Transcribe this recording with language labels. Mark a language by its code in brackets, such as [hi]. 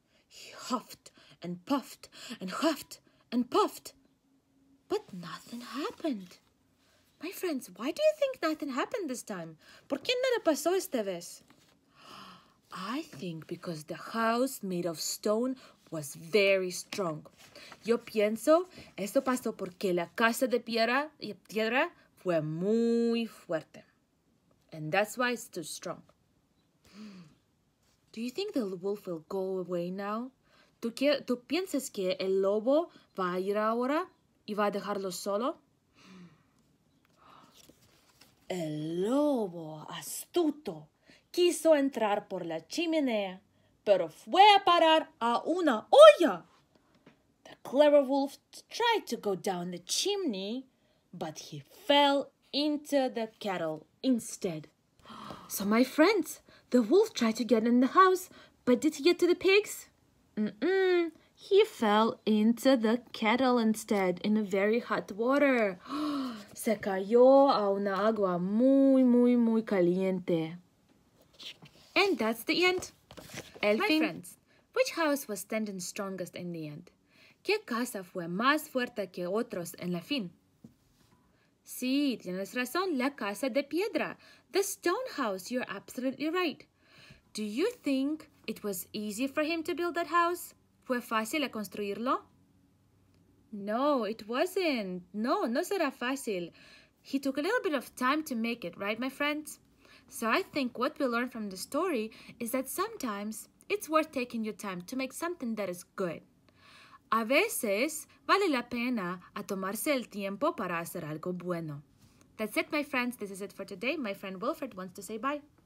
[en] He huffed and puffed and huffed and puffed. But nothing happened. My friends, why do you think nothing happened this time? [es] ¿Por qué nada pasó esta vez? [en] I think because the house made of stone was very strong. [es] Yo pienso esto pasó porque la casa de piedra fue muy fuerte. [en] And that's why it's too strong. Do you think the wolf will go away now? [es] ¿Tú piensas que el lobo va a ir ahora y va a dejarlo solo? El lobo astuto quiso entrar por la chimenea, pero fue a parar a una olla. [en] The clever wolf tried to go down the chimney, but he fell into the kettle instead. So my friends, the wolf tried to get in the house, but did he get to the pigs? Mm-mm. He fell into the kettle instead, in a very hot water. [es] Se cayó a una agua muy, muy, muy caliente. [en] And that's the end. My friends, which house was standing strongest in the end? [es] ¿Qué casa fue más fuerte que otros en la fin? Sí, tienes razón, la casa de piedra. [en] The stone house, you're absolutely right. Do you think it was easy for him to build that house? [es] ¿Fue fácil a construirlo? [en] No, it wasn't. [es] No será fácil. [en] He took a little bit of time to make it, right, my friends? So I think what we learned from the story is that sometimes it's worth taking your time to make something that is good. [es] A veces vale la pena a tomarse el tiempo para hacer algo bueno. [en] That's it, my friends. This is it for today. My friend Wilfred wants to say bye.